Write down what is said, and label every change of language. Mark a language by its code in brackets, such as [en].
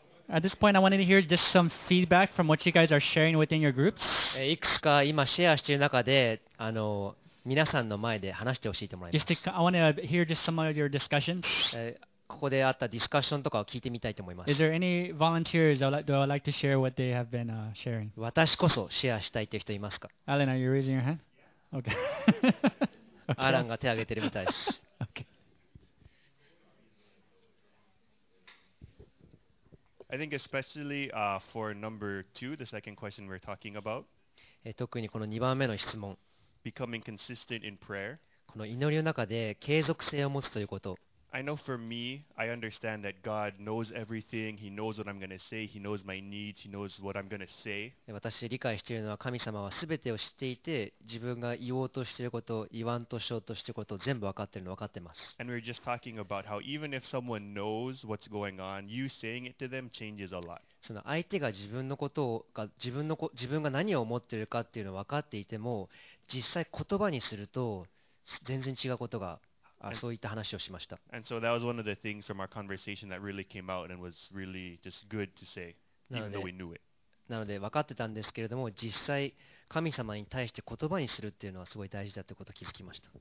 [en] At this point, I wanted to hear just some feedback from what you guys are sharing within your groups. [ja] いくつか今シェアしている中で、皆さんの前で話してほしいと思います。 [en] Just to, I want to hear just some of your discussions. [ja] ここであったディスカッションとかを聞いてみたいと思います。 [en] Is there any volunteers that would like to share what they have been sharing? [ja] 私こそシェアしたいという人いますか [en] ？Alan, are you raising your hand? Okay. [ja] アランが手を挙げてるみたいです。 [en] Okay. I think especially for number two, the second question we're talking about. [ja] 特にこの2番目の質問。 [en] Becoming consistent in prayer. [ja] この祈りの中で継続性を持つということ。 [en] I know for me, I understand that God knows everything. He knows what I'm going to say. He knows my needs. He knows what I'm going to say. [ja] 私理解しているのは神様はすべてを知っていて、自分が言おうとしていること、言わんとしようとしていること、全部わかっているのわかっています。 [en] And we're just talking about how even if someone knows what's going on, you saying it to them changes a lot. [ja] その相手が自分のことをが自分が何を思っているかっていうのをわかっていても、実際言葉にすると全然違うことが。そういった話をしました。 [en] And so that was one of the things from our conversation that really came out and was really just good to say, even though we knew it. [ja] なので分かってたんですけれども、実際神様に対して言葉にするっていうのはすごい大事だってことを気づきました。